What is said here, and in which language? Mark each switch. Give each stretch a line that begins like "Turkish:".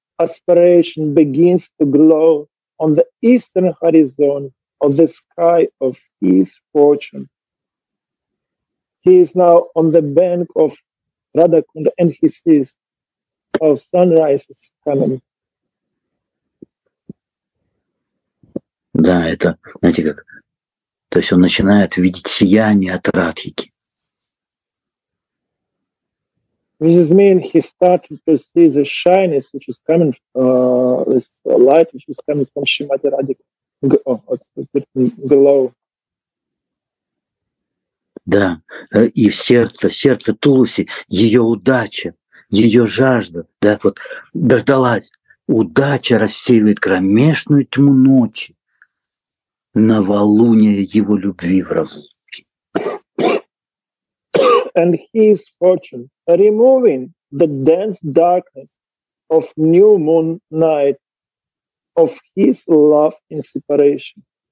English: aspiration begins to glow on the eastern horizon of the sky of his fortune. He is now on the bank of Radhakund and he sees how sunrise is coming.
Russian: Да, это, знаете, как, то есть он начинает видеть сияние от Радхики.
English: Which means he started to see the shininess, which is coming, this light, which is coming from Shrimati Radhika, below.
Russian: Да, и в сердце Туласи, ее удача, ее жажда, да, вот дождалась, удача рассеивает кромешную тьму ночи. Новолуние его любви в разлуке.
English: And his fortune, removing the dense darkness of new moon night of his love in separation.